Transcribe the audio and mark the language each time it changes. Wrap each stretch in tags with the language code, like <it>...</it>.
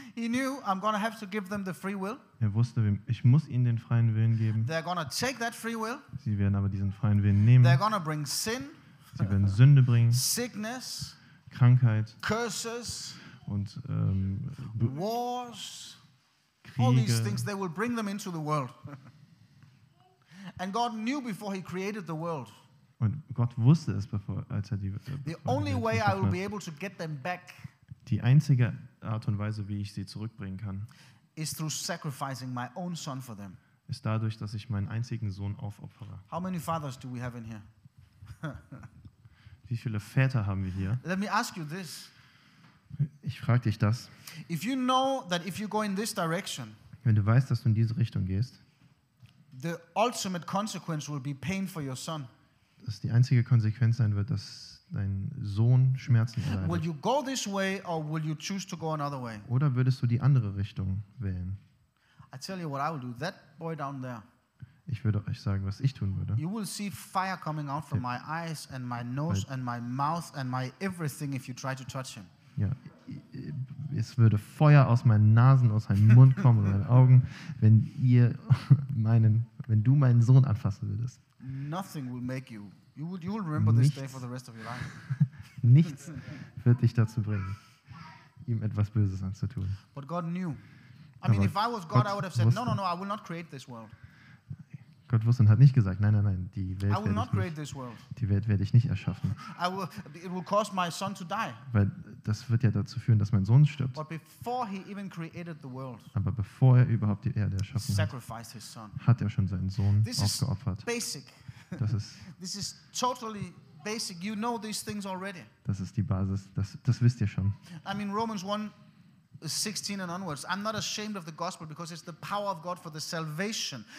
<en>He knew I'm going to have to give them the free will.</en> <de>Er wusste, ich muss ihnen den freien Willen geben.</de> <en>They're going to take that free will.</en> <de>Sie werden aber diesen freien Willen nehmen.</de> <en>They're going to bring sin.</en> <de>Sie werden Sünde bringen.</de> <en>Sickness.</en> <de>Krankheit.</de> <en>Curses.</en> <de>Und</de> <en>wars.</en> <de>Kriege.</de> <en>All these things they will bring them into the world. And God knew before he created the world.</en> <de>Und Gott wusste es bevor, als er die</de> <en>The only way I will be able to get them back.</en> <de>Die einzige Art und Weise, wie ich sie zurückbringen kann,</de> <en>is through sacrificing my own son for them.</en> <de>Ist dadurch, dass ich meinen einzigen Sohn aufopfere.</de> <en>How many fathers do we have in here?</en> <de>Wie viele Väter haben wir hier?</de> <en>Let me ask you this.</en> <de>Ich frage dich das.</de> <en>If you know that if you go in this direction.</en> <de>Wenn du weißt, dass du in diese Richtung gehst,</de> <en>the ultimate consequence will be pain for your son.</en> <de>Dass die einzige Konsequenz sein wird, dass dein Sohn Schmerzen erleidet.</de> <en>Will you go this way or will you choose to go another way?</en> <de>Oder würdest du die andere Richtung wählen?</de> <en>I tell you what I will do. That boy down there.</en> <de>Ich würde euch sagen, was ich tun würde.</de> <en>You will see fire coming out from my eyes and my nose and my mouth and my everything if you try to touch him.</en> <de>Ja. Es würde Feuer aus meinen Nasen, aus meinem Mund kommen, aus meinen Augen, wenn du meinen Sohn anfassen würdest.</de> <en>Nothing will make you. You will remember this day for the rest of your life.</en> <de>Nichts wird dich dazu bringen, ihm etwas Böses anzutun.</de> <en>But God knew. I mean, if I was God, I would have said, no, no, no, I will not create this world.</en> <de>Gott wusste und hat nicht gesagt, nein, nein, nein, die Welt,</de> <en>I will not create this world.</en> <de>Die Welt werde ich nicht erschaffen.</de> <en>It will cause my son to die.</en> <de>Weil das wird ja dazu führen, dass mein Sohn stirbt.</de> <en>But before he even created the world,</en> <de>aber bevor er überhaupt die Erde erschaffen</de> <en>sacrificed</en> <de>hat,</de> <en>his son.</en> <de>Hat er schon seinen Sohn</de> <en>this</en> <de>aufgeopfert.</de> <en>Is basic.</en> <de>Das ist</de> <en>this is totally basic. You know these things already.</en> <de>Das ist die Basis, das wisst ihr schon.</de> <en>I mean Romans 1 16 and onwards. I'm not ashamed of the gospel because it's the power of God for the salvation.</en>